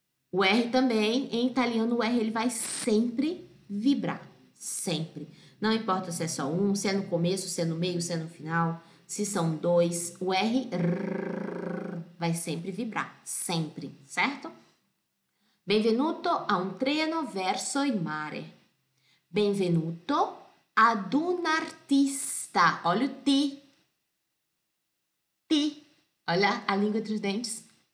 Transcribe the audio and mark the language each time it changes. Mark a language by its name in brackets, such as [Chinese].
[Portuguese] O R também, em italiano, o R ele vai sempre vibrar, sempre. Não importa se é só um, se é no começo, se é no meio, se é no final, se são dois, o R vai sempre vibrar, sempre, certo? [Italian] Benvenuto a un treno verso il mare. Benvenuto ad un artista. [Portuguese] Olha o T. Ti, olha a língua entre os dentes.